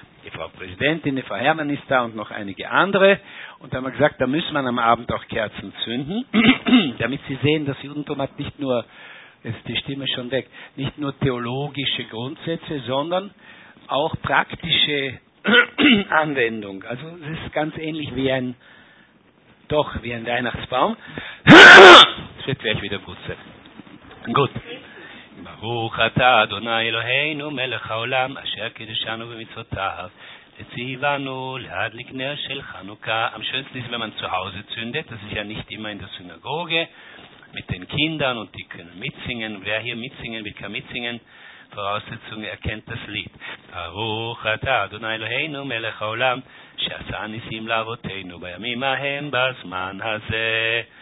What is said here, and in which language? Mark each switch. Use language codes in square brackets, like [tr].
[de] Die Frau Präsidentin, die Frau Herrmann ist da und noch einige andere. Und da haben wir gesagt, da müssen wir am Abend auch Kerzen zünden, damit sie sehen, das Judentum hat nicht nur, jetzt die Stimme schon weg, nicht nur theologische Grundsätze, sondern auch praktische Anwendung. Also es ist ganz ähnlich wie ein, doch, wie ein Weihnachtsbaum. Es wird gleich wieder gut sein. Gut. [he] ברוך אתה אדוני אלוהינו מלך העולם אשר קידשנו במצוותיו וציוונו להדליק נר של חנוכה. [de] Am schönsten ist, wenn man zu Hause zündet. Das ist ja nicht immer in der Synagoge mit den Kindern und die können mitsingen. Wer hier mitsingen will, kann mitsingen. Voraussetzung erkennt das Lied. [he] ברוך אתה אדוני אלוהינו מלך העולם שעשה ניסים לאבותינו בימים ההם בזמן הזה.